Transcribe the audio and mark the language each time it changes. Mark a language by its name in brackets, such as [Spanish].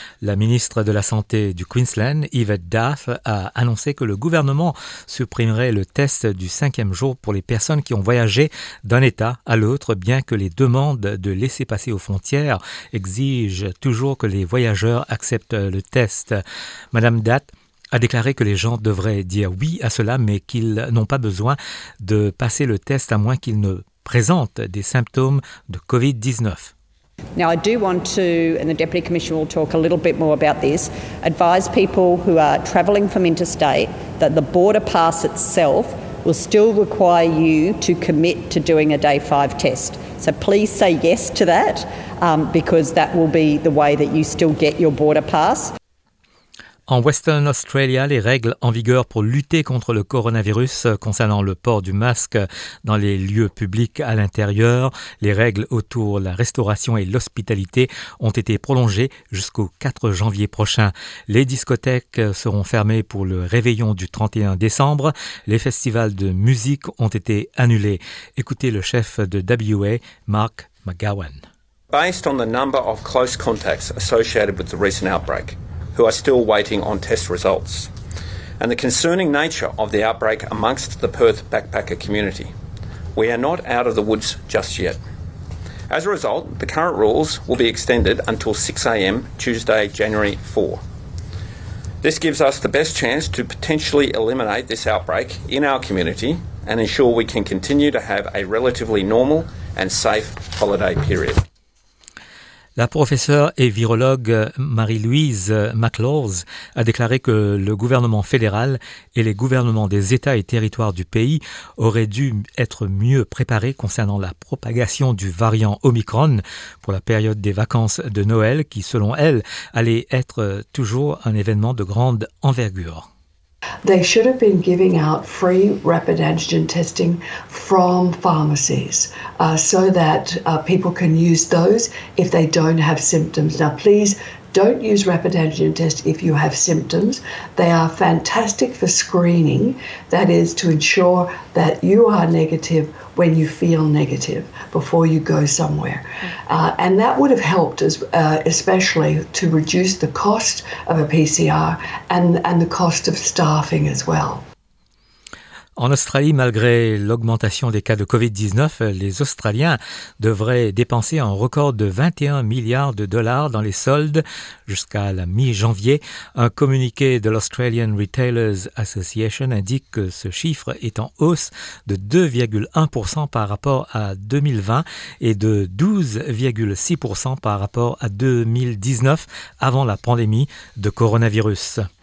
[French] La ministre de la Santé du Queensland, Yvette Duff, a annoncé que le gouvernement supprimerait le test du 5e jour pour les personnes qui ont voyagé d'un État à l'autre, bien que les demandes de laissez-passer aux frontières exigent toujours que les voyageurs acceptent le test. Madame Duff a déclaré que les gens devraient dire oui à cela, mais qu'ils n'ont pas besoin de passer le test à moins qu'ils ne présentent des symptômes de COVID-19. [English] Now I do want to, and the Deputy Commissioner will talk a little bit more about this, advise people who are travelling from interstate that the border pass itself will still require you to commit to doing a day 5 test. So please say yes to that, because that will be the way that you still get your border pass. [French] En Western Australia, les règles en vigueur pour lutter contre le coronavirus concernant le port du masque dans les lieux publics à l'intérieur, les règles autour la restauration et l'hospitalité ont été prolongées jusqu'au 4 janvier prochain. Les discothèques seront fermées pour le réveillon du 31 décembre. Les festivals de musique ont été annulés. Écoutez le chef de WA, Mark McGowan. [English] Based on the number of close contacts associated with the recent outbreak, who are still waiting on test results, and the concerning nature of the outbreak amongst the Perth backpacker community, we are not out of the woods just yet. As a result, the current rules will be extended until 6 a.m. Tuesday, January 4. This gives us the best chance to potentially eliminate this outbreak in our community and ensure we can continue to have a relatively normal and safe holiday period. [French] La professeure et virologue Marie-Louise McLaws a déclaré que le gouvernement fédéral et les gouvernements des États et territoires du pays auraient dû être mieux préparés concernant la propagation du variant Omicron pour la période des vacances de Noël qui, selon elle, allait être toujours un événement de grande envergure. [English] They should have been giving out free rapid antigen testing from pharmacies so that people can use those if they don't have symptoms. Now, please don't use rapid antigen tests if you have symptoms. They are fantastic for screening, that is to ensure that you are negative when you feel negative before you go somewhere. And that would have helped as especially to reduce the cost of a PCR and the cost of staffing as well. [French] En Australie, malgré l'augmentation des cas de COVID-19, les Australiens devraient dépenser un record de 21 milliards de dollars dans les soldes jusqu'à la mi-janvier. Un communiqué de l'Australian Retailers Association indique que ce chiffre est en hausse de 2,1% par rapport à 2020 et de 12,6% par rapport à 2019 avant la pandémie de coronavirus.